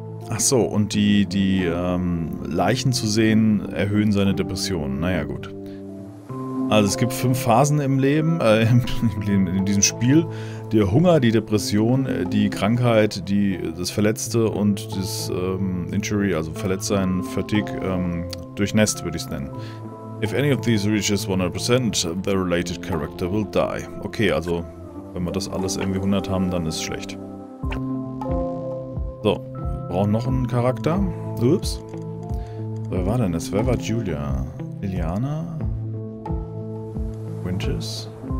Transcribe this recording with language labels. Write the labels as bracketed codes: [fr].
[de] Ach so, und die Leichen zu sehen, erhöhen seine Depressionen. Naja, gut. Also es gibt 5 Phasen im Leben, in diesem Spiel. Der Hunger, die Depression, die Krankheit, das Verletzte und das Injury, also Verletztsein, Fatigue, durchnässt, würde ich es nennen. [en] If any of these reaches 100%, the related character will die. [de] Okay, also wenn wir das alles irgendwie 100 haben, dann ist es schlecht. So, brauchen noch einen Charakter. Ups. Wer war denn das? Wer war Julia? Liliana? Winches?